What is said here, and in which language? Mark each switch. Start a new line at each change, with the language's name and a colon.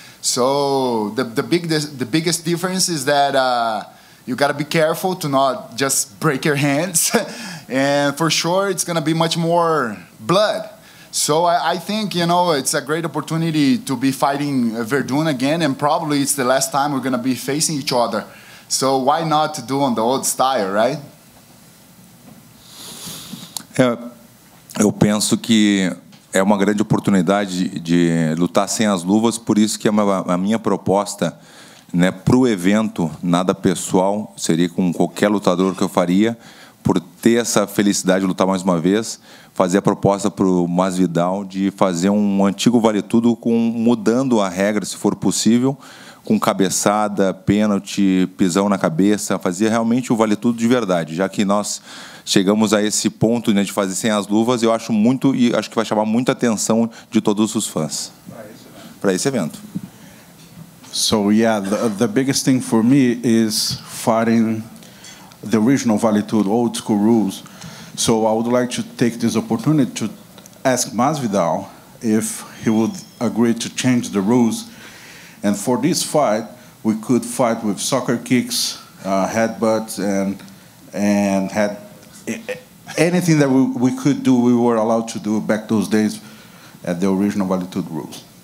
English: So the biggest difference is that you gotta be careful to not just break your hands, and for sure it's gonna be much more blood. So I think, you know, it's a great opportunity to be fighting Werdum again, and probably it's the last time we're gonna be facing each other. So why not do on the old style, right?
Portuguese: Eu penso que é uma grande oportunidade de lutar sem as luvas, por isso que a minha proposta, né, pro evento, nada pessoal, seria com qualquer lutador que eu faria, por ter essa felicidade de lutar mais uma vez, fazer a proposta pro Masvidal de fazer um antigo vale tudo com mudando a regra, se for possível, com cabeçada, pênalti, pisão na cabeça, fazer realmente o vale tudo de verdade, já que nós chegamos a esse ponto, né, de fazer sem as luvas, eu acho muito e acho que vai chamar muita atenção de todos os fãs para esse evento.
English: So yeah, the biggest thing for me is fighting the original Vale Tudo, old school rules. So I would like to take this opportunity to ask Masvidal if he would agree to change the rules. And for this fight, we could fight with soccer kicks, headbutts, and had anything that we could do, we were allowed to do back those days at the original Vale Tudo rules.